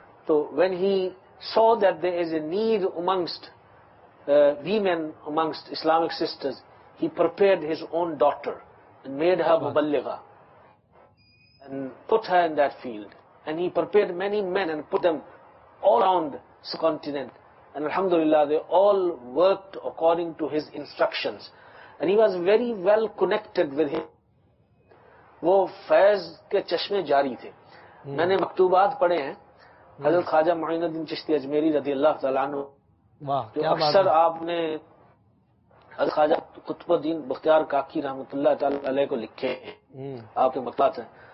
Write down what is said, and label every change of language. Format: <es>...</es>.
<en>تو when he saw that there is a need amongst women, amongst Islamic sisters, he prepared his own daughter and made her مبلغہ and put her in that field, and he prepared many men and put them all around this continent, and الحمد للہ they all worked according to his instructions. And he was very well connected with him.</en> <ur>وہ فیض کے چشمے جاری تھے. میں نے مکتوبات پڑھے ہیں حضرت خواجہ معین الدین چشتی اجمیری رضی اللہ تعالیٰ عنہ. جو اکثر آپ نے حضرت خواجہ قطب الدین بختیار کاکی رحمۃ اللہ تعالی علیہ کو لکھے ہیں آپ کے مکتوبات ہیں.</ur>